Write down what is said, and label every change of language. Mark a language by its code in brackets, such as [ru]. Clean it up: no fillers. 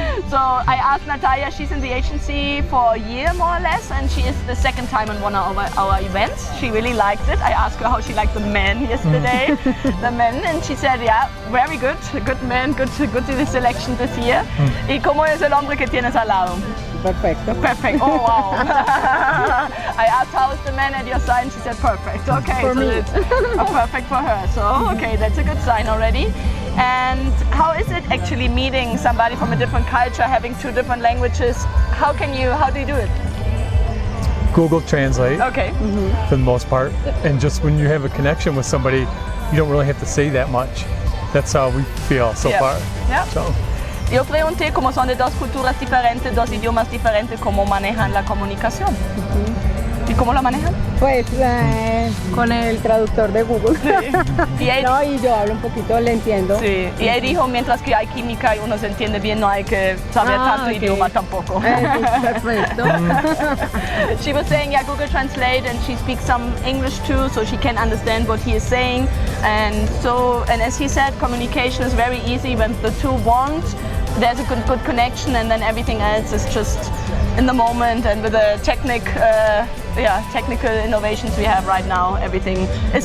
[en] So I asked Natalia, she's in the agency for a year more or less, and she is the second time in one of our events. She really liked it. I asked her how she liked the men yesterday, the men, and she said, yeah, very good, good men, good to the selection this year. [es] ¿Y cómo es el hombre que tienes al lado? [en] Perfect. Oh, wow. I asked how is the man at your side, and she said, perfect. Okay, for so me. Perfect for her. So, okay, that's a good sign already. And how is it actually meeting somebody from a different culture, having two different languages? How do you do it? Google Translate. Okay. Mm-hmm. For the most part. And just when you have a connection with somebody, you don't really have to say that much. That's how we feel so far. Yeah. So. [es] Yo pregunté cómo son de dos culturas diferentes, dos idiomas diferentes, cómo manejan la comunicación. ¿Y cómo la manejan? Pues con el traductor de Google. Sí. ¿Y no, y yo hablo un poquito, le entiendo. Sí. Y él dijo, mientras que hay química y uno se entiende bien, no hay que saber tanto idioma tampoco. Perfecto. [en] She was saying, yeah, Google Translate, and she speaks some English too, so she can understand what he is saying. And so, and as he said, communication is very easy when the two want. There's a good connection, and then everything else is just in the moment and with the technical innovations we have right now, everything is